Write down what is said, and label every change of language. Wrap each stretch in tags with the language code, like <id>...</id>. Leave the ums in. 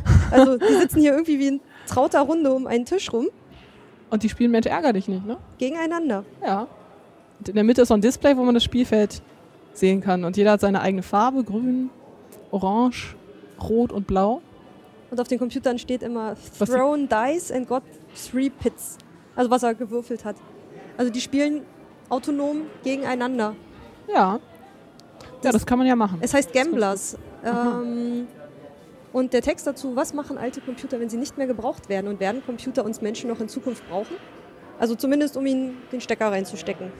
<de>Also die sitzen hier irgendwie wie in trauter Runde um einen Tisch rum, Und die spielen Mensch ärger dich nicht, ne? gegeneinander. Ja. Und in der Mitte ist so ein Display, wo man das Spielfeld sehen kann. Und jeder hat seine eigene Farbe: grün, orange, rot und blau. Und auf den Computern steht immer Was die-</de> <en>Thrown Dice and got three pits.</en> <de>Also was er gewürfelt hat. Also die spielen autonom gegeneinander. Ja. ja, Das- das kann man ja machen. Es heißt Gamblers. Ähm, und der Text dazu, was machen alte Computer, wenn sie nicht mehr gebraucht werden? Und werden Computer uns Menschen noch in Zukunft brauchen? Also zumindest, um ihnen den Stecker reinzustecken.</de>